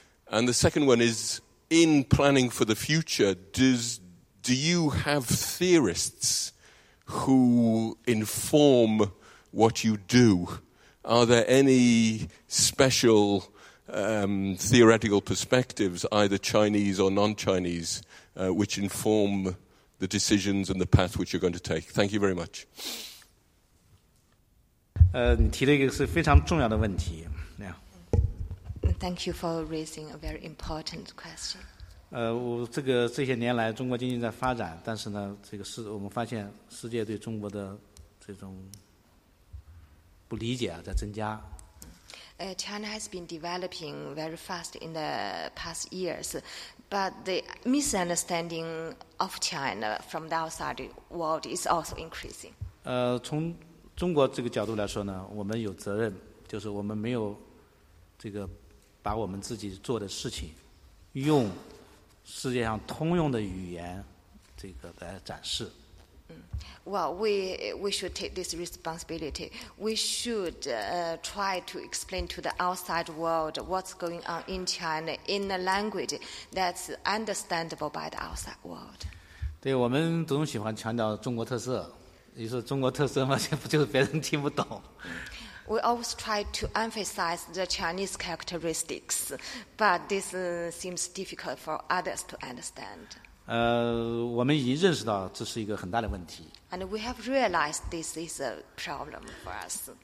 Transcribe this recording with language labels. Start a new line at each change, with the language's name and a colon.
English: And the second one is, in planning for the future, do you have theorists who inform what you do? Are there any special theoretical perspectives, either Chinese or non-Chinese, which inform the decisions and the path which you're going to take? Thank you very much.
Chinese: 你提了一个是非常重要的问题。
English: Thank you for raising a very important question.
Chinese: 我这个这些年来中国经济在发展，但是呢，这个是我们发现世界对中国的这种不理解啊在增加。
English: China has been developing very fast in the past years, but the misunderstanding of China from the outside world is also increasing.
Chinese: 从中国这个角度来说呢，我们有责任，就是我们没有这个。把我们自己做的事情用世界上通用的语言这个来展示。
English: Well, we should take this responsibility. We should try to explain to the outside world what's going on in China in a language that's understandable by the outside world.
Chinese: 对，我们总喜欢强调中国特色，你说中国特色嘛，不就是别人听不懂。
English: We always try to emphasize the Chinese characteristics, but this seems difficult for others to understand.
Chinese: 我们已经认识到这是一个很大的问题。
English: And we have realized this is a problem for us.